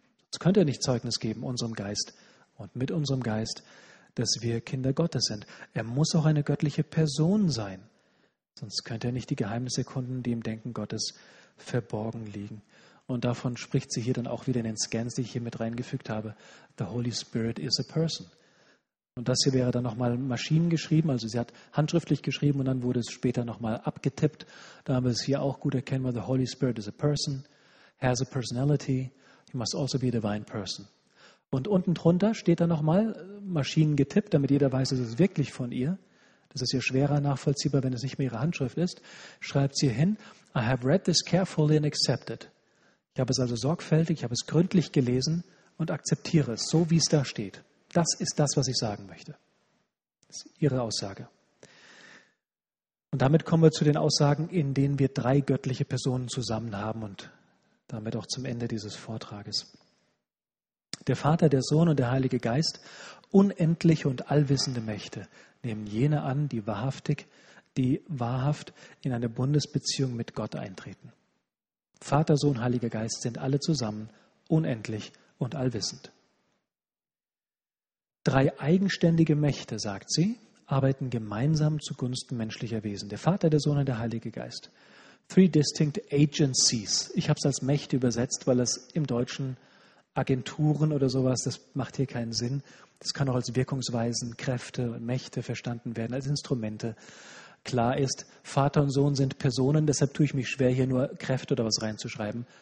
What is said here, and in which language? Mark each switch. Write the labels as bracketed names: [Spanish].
[German] Sonst könnte er nicht Zeugnis geben unserem Geist und mit unserem Geist, dass wir Kinder Gottes sind. Er muss auch eine göttliche Person sein. Sonst könnte er nicht die Geheimnisse erkunden, die im Denken Gottes verborgen liegen. Und davon spricht sie hier dann auch wieder in den Scans, die ich hier mit reingefügt habe. [English] The Holy Spirit is a person. [German] Und das hier wäre dann nochmal maschinengeschrieben. Also sie hat handschriftlich geschrieben und dann wurde es später nochmal abgetippt. Da haben wir es hier auch gut erkennbar. [English] The Holy Spirit is a person, has a personality. He must also be a divine person. [German] Und unten drunter steht dann nochmal maschinengetippt, damit jeder weiß, es ist wirklich von ihr. Das ist ja schwerer nachvollziehbar, wenn es nicht mehr ihre Handschrift ist. Schreibt sie hin, [English] I have read this carefully and accepted. [German] Ich habe es also sorgfältig, ich habe es gründlich gelesen und akzeptiere es, so wie es da steht. Das ist das, was ich sagen möchte. Das ist ihre Aussage. Und damit kommen wir zu den Aussagen, in denen wir drei göttliche Personen zusammen haben und damit auch zum Ende dieses Vortrages. Der Vater, der Sohn und der Heilige Geist, unendliche und allwissende Mächte, nehmen jene an, die wahrhaft in eine Bundesbeziehung mit Gott eintreten. Vater, Sohn, Heiliger Geist sind alle zusammen unendlich und allwissend. Drei eigenständige Mächte, sagt sie, arbeiten gemeinsam zugunsten menschlicher Wesen. Der Vater, der Sohn und der Heilige Geist. [English] Three distinct agencies. [German] Ich habe es als Mächte übersetzt, weil es im Deutschen Agenturen oder sowas, das macht hier keinen Sinn. Das kann auch als Wirkungsweisen, Kräfte und Mächte verstanden werden, als Instrumente. Klar ist, Vater und Sohn sind Personen, deshalb tue ich mich schwer, hier nur Kräfte oder was reinzuschreiben.